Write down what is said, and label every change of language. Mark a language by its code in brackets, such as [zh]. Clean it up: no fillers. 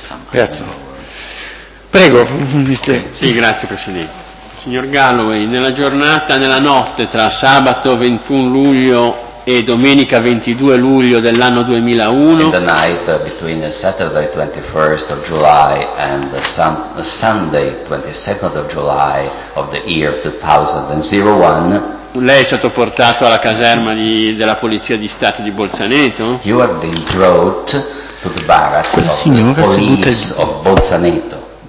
[it] Grazie. Prego, mister. Sì, grazie Presidente. Signor Galloway, nella giornata, nella notte tra sabato 21 luglio e domenica 22 luglio dell'anno 2001. [en] In the night between Saturday 21st of July and Sunday 22nd of July of the year 2001. [it] Lei è stato portato alla caserma della Polizia di Stato di Bolzaneto? [en] You have been brought to the barracks of the police of Bolzaneto.